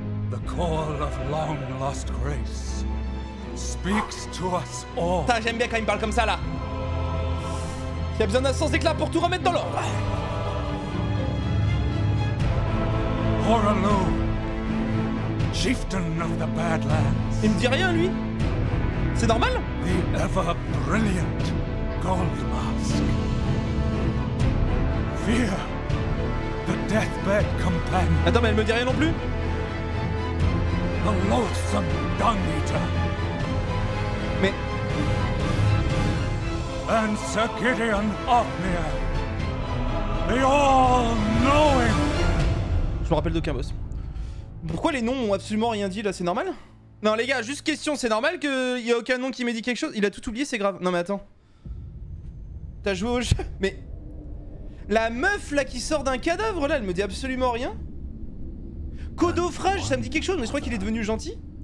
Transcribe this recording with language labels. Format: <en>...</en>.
<en>The call of long lost grace. Speaks to us all.</en> <fr>Putain, j'aime bien quand il me parle comme ça là. Y'a besoin d'un sens d'éclat pour tout remettre dans l'ordre.</fr> <en>Horalu, chieftain of the Badlands.</en> <fr>Il me dit rien lui. C'est normal.</fr> <en>The ever brilliant Gold Mask. Fear, the deathbed companion.</en> <fr>Attends, mais elle me dit rien non plus.</fr> <en>The loathsome Dung Eater.</en> <fr>Mais...</fr> <en>And Sir Gideon Othniel, the all-knowing.</en> <fr>Je me rappelle d'aucun boss. Pourquoi les noms ont absolument rien dit là, c'est normal? Non les gars, juste question, c'est normal qu'il y a aucun nom qui m'ait dit quelque chose? Il a tout oublié, c'est grave. Non mais attends. T'as joué au jeu? Mais... La meuf là qui sort d'un cadavre là, elle me dit absolument rien. Codofrage, ça me dit quelque chose, mais je crois qu'il est devenu gentil.</fr>